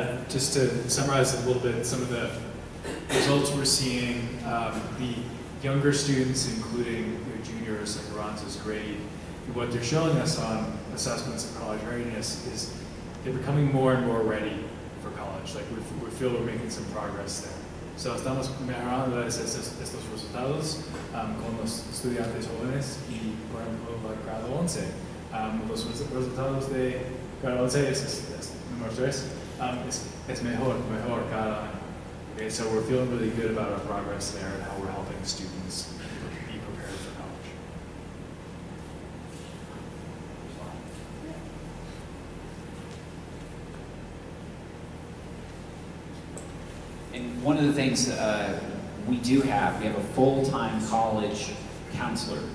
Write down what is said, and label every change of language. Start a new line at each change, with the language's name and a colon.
English: Just to summarize a little bit, some of the results we're seeing, the younger students, including their juniors and Ronza's grade, what they're showing us on assessments of college readiness is they're becoming more and more ready for college. Like, we feel we're making some progress there.
Spanish: So estamos mejorando estos resultados con los estudiantes jóvenes y, por ejemplo, el grado 11. Los resultados de grado 11 es número 3, es mejor cada año.
English: Okay, so we're feeling really good about our progress there and how we're helping students be prepared for college. And one of the things we do have, we have a full-time college counselor.